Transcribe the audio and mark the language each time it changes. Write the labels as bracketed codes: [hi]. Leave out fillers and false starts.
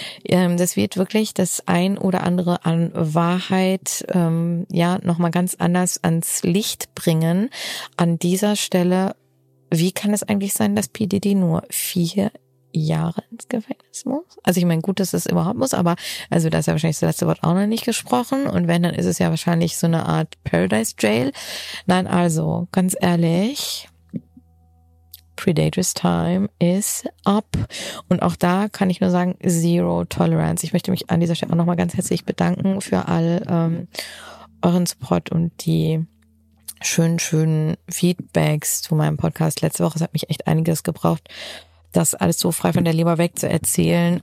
[de] Das wird wirklich das ein oder andere an Wahrheit nochmal ganz anders ans Licht bringen. An dieser Stelle, wie kann es eigentlich sein, dass PDD nur 4 Jahre ins Gefängnis muss? Also ich meine, gut, dass es überhaupt muss, aber also da ist ja wahrscheinlich das letzte Wort auch noch nicht gesprochen und wenn, dann ist es ja wahrscheinlich so eine Art Paradise Jail. Nein, also ganz ehrlich, [en] Predator's Time is up. [de] Und auch da kann ich nur sagen, [en] zero tolerance. [de] Ich möchte mich an dieser Stelle auch nochmal ganz herzlich bedanken für all euren Support und die schönen Feedbacks zu meinem Podcast. Letzte Woche, es hat mich echt einiges gebraucht, das alles so frei von der Leber weg zu erzählen.